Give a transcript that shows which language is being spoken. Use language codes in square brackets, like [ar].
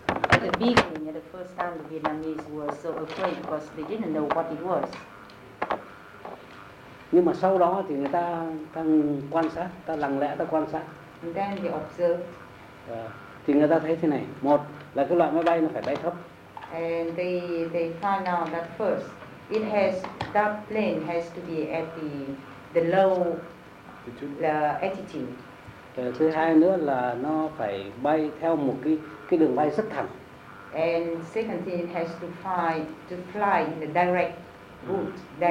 [en] At the beginning, the first time the Vietnamese were so afraid because they didn't know what it was. [vi] Nhưng mà sau đó thì người ta ta quan sát, ta lặng lẽ ta quan sát. [en] And then they observed. [vi] Thì người ta thấy thế này, một là cái loại máy bay nó phải bay thấp. [en] And they found out that first it has that plane has to be at the low altitude. [vi] Thứ hai nữa là nó phải bay theo một cái đường bay rất thẳng. [en] And second thing it has to fly in the direct route.